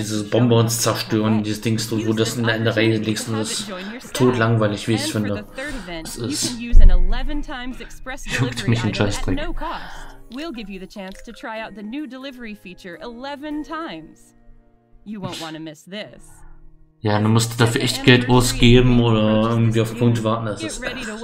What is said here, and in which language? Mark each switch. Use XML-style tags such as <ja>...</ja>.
<de>Dieses Bonbons zerstören, dieses Dings, wo du das in eine Reihe legst und das tot langweilig, wie ich finde. Juckt mich ein Scheißdreck.</de> <en>We'll give you the chance to try out the new delivery feature 11 times. You won't want to miss this.</en> <de>Ja, dann musst du dafür echt Geld ausgeben oder irgendwie auf Punkte warten, dass es echt.</de>